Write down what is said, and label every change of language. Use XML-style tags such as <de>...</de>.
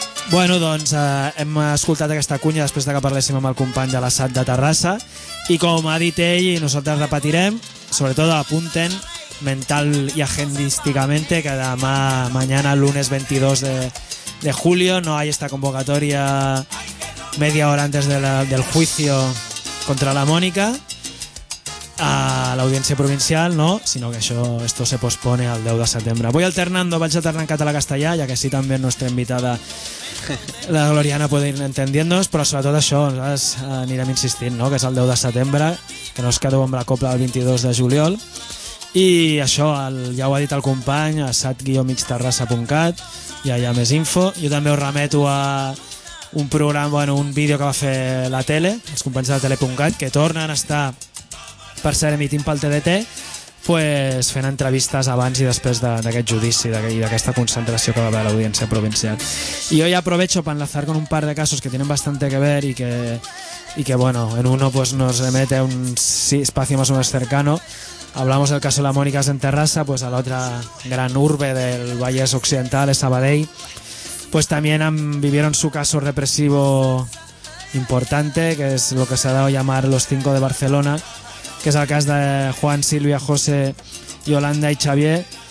<ca>Bueno, doncs hem escoltat aquesta cunya després de que parléssim amb el company de l'assat de Terrassa, i com ha dit ell, nosaltres repetirem, sobretot apunten mental i agendísticament que demà,</ca> <es>mañana, lunes 22 de julio, no hay esta convocatoria media hora antes del juicio contra la Mónica</es> <ca>a l'Audiència Provincial, no? Sinó que</ca> <es>esto se pospone al 10 de setembre.</es> <ca>Vaig alternant català-castellà, ja que sí, també nostra invitada la Gloriana pot</ca> <es>ir entendiendo-nos,</es> <ca>però sobretot això, nosaltres anirem insistint, no? Que és el 10 de setembre, que no es quedeu amb la copla del 22 de juliol. I això, ja ho ha dit el company, a sat-migterrassa.cat, i allà més info. Jo també us remeto a un programa, bueno, un vídeo que va fer la tele, els companys de la tele.cat, que tornen a estar, per ser emitint pel TDT, pues fent entrevistes abans i després d'aquest judici i d'aquesta concentració que va haver a l'Audiència Provincial. I jo ja</ca> <es>aprovecho per enlazar con un par de casos que tienen bastante que ver y que bueno, en uno pues nos remete a un espacio más o menos cercano. Hablamos del caso de la Mónica en Terrassa, pues a la otra gran urbe del Vallès Occidental, Sabadell, pues también vivieron su caso represivo importante, que es lo que se ha dado a llamar los 5 de Barcelona, que es el cas de Juan, Silvia, José, Yolanda y Xavier,</es>